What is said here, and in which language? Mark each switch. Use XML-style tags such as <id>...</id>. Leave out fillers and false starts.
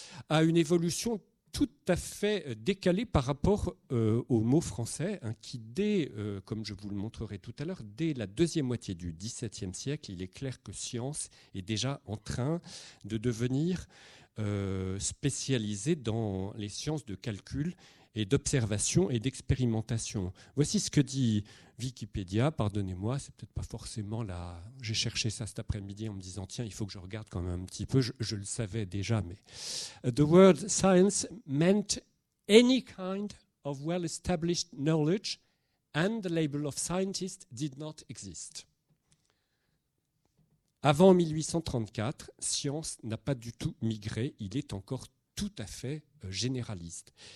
<fr>a une évolution tout à fait décalée par rapport au mot français qui, comme je vous le montrerai tout à l'heure, dès la deuxième moitié du XVIIe siècle, il est clair que « science » est déjà en train de devenir spécialisé dans les sciences de calcul et d'observation et d'expérimentation. Voici ce que dit Wikipédia, pardonnez-moi, c'est peut-être pas forcément la... J'ai cherché ça cet après-midi en me disant, tiens, il faut que je regarde quand même un petit peu, je le savais déjà, mais...</fr> <en>The word science meant any kind of well-established knowledge and the label of scientist did not exist.</en> <fr>Avant 1834, science n'a pas du tout migré, il est encore tout à fait généraliste.</fr>